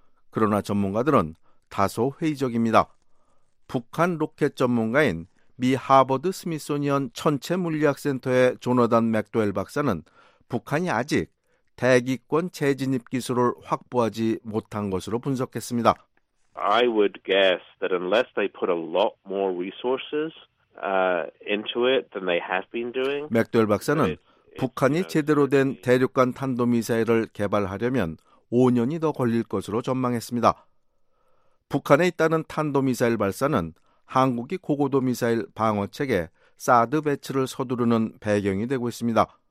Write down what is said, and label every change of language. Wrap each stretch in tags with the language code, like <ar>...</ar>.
<ko>그러나 전문가들은 다소 회의적입니다. 북한 로켓 전문가인 미 하버드 스미소니언 천체 물리학센터의 조너단 맥도웰 박사는 북한이 아직 대기권 재진입 기술을 확보하지 못한 것으로 분석했습니다.</ko> <en>I would guess that unless they put a lot more resources into it than they have been doing.</en> <ko>맥도웰 박사는 북한이 제대로 된 대륙간 탄도미사일을 개발하려면 5년이 더 걸릴 것으로 전망했습니다. 북한에 잇따른 탄도미사일 발사는 한국이 고고도 미사일 방어체계 사드 배치를 서두르는 배경이 되고 있습니다.</ko>